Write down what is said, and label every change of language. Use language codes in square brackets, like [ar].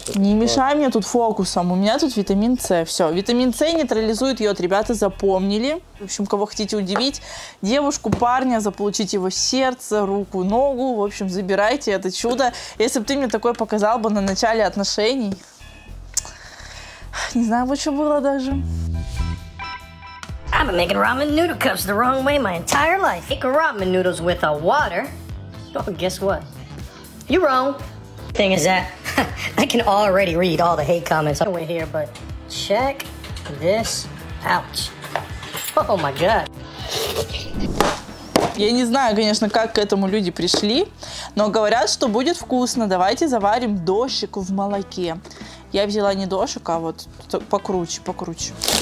[ru] Не мешай мне тут фокусом. У меня тут витамин С. Все, витамин С нейтрализует йод. Ребята, запомнили. В общем, кого хотите удивить, девушку, парня, заполучить его сердце, руку, ногу. В общем, забирайте это чудо. Если бы ты мне такое показал бы на начале отношений. Не знаю, что было даже. [en] I've been making ramen noodle cups the wrong way my entire life. Make ramen noodles with a water. Oh, guess what? You're wrong. Thing is that I can already read all the hate comments on the way here, but check this out. Oh my god. [ru] Я не знаю, конечно, как к этому люди пришли, но говорят, что будет вкусно. Давайте заварим дошик в молоке. Я взяла не дошик, а вот покруче, покруче.